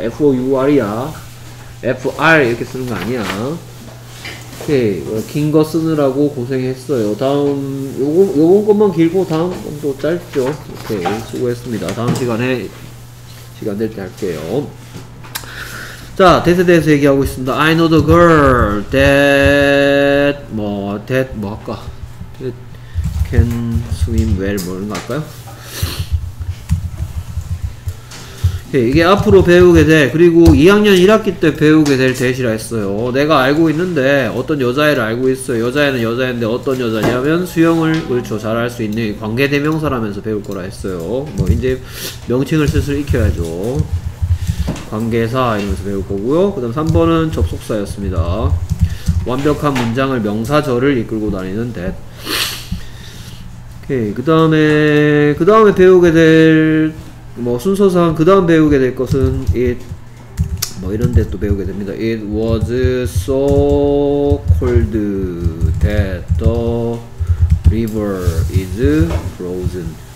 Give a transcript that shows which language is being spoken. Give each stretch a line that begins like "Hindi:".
Korean: F-O-U-R이야 F-R 이렇게 쓰는 거 아니야. 오케이. 긴 거 쓰느라고 고생했어요. 다음 요건 것만 길고 다음 것도 짧죠. 오케이. 수고했습니다. 다음 시간에 시간 될 때 할게요. 자, 대세 대해서 얘기하고 있습니다.
English: I know the girl that
Korean: 뭐
English: that
Korean: 뭐 할까?
English: that can swim well
Korean: 뭐 이런 거 할까요? 오케이, 이게 앞으로 배우게 될 그리고 2학년 1학기 때 배우게 될 대시라 했어요. 내가 알고 있는데 어떤 여자애를 알고 있어요. 여자애는 여자애인데 어떤 여자냐면 수영을 그렇죠 잘 할 수 있는 관계 대명사라면서 배울 거라 했어요. 뭐 이제 명칭을 슬슬 익혀야죠. 관계사 이러면서 배울 거고요. 그 다음 3번은 접속사였습니다. 완벽한 문장을 명사절을 이끌고 다니는 that. 오케이, 그 다음에 배우게 될 뭐 순서상 그 다음 배우게 될 것은 it 뭐 이런 데 또 배우게 됩니다.
English: It was so cold that the river is frozen.